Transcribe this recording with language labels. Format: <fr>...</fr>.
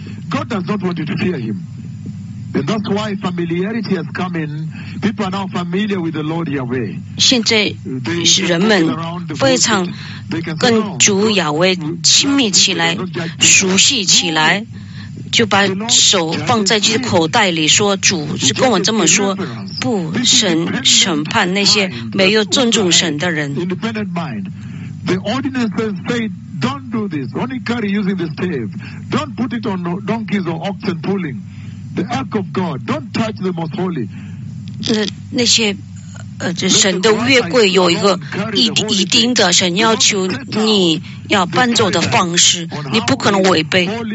<en>God does not want you to fear him, and that's why familiarity has come in. People are now familiar with the Lord Yahweh.</en> <zh>现在人们非常跟主亚威亲密起来、熟悉起来，就把手放在自己的口袋里，说：“主是跟我这么说，不，神审判那些没有尊重神的人。”</zh> <en>Independent mind. The ordinances say, don't do this. Only carry using the stave. Don't put it on donkeys or oxen pulling. The ark of God. Don't touch the most holy.</en> <zh>那些这神的约柜有一个一定的，神要求你要搬走的方式，你不可能违背。</zh>